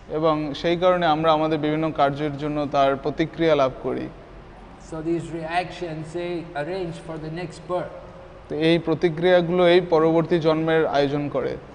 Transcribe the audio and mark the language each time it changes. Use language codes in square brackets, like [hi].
[bn] এবং সেই কারণে আমরা আমাদের বিভিন্ন কার্যের জন্য তার প্রতিক্রিয়া লাভ করি. [en] So these reactions they arrange for the next birth. [bn] তো এই প্রতিক্রিয়াগুলো এই পরবর্তী জন্মের আয়োজন করে.